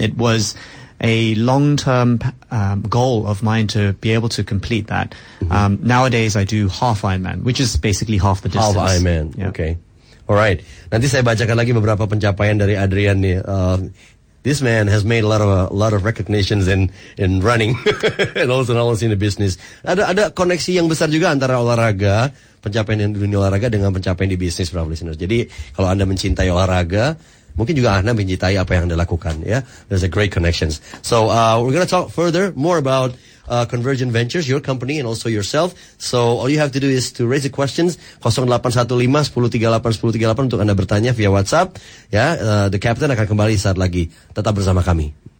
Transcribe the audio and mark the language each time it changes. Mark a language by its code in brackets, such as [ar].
[en] It was a long-term goal of mine to be able to complete that. Mm-hmm. Nowadays, I do half Ironman, which is basically half the distance. Half Ironman, okay. All right. [id] Nanti saya bacakan lagi beberapa pencapaian dari Adrian nih. [en] This man has made a lot of recognitions in running and also in the business. [id] Ada koneksi yang besar juga antara olahraga, pencapaian di dunia olahraga dengan pencapaian di bisnis, bro listeners. Jadi kalau Anda mencintai olahraga, mungkin juga Anda mencintai apa yang Anda lakukan, ya. [en] There's a great connections. So we're gonna talk further more about Convergent Ventures, your company, and also yourself. So all you have to do is to raise the questions 0815-1038-1038 [id] untuk Anda bertanya via WhatsApp. The Captain akan kembali saat lagi. Tetap bersama kami.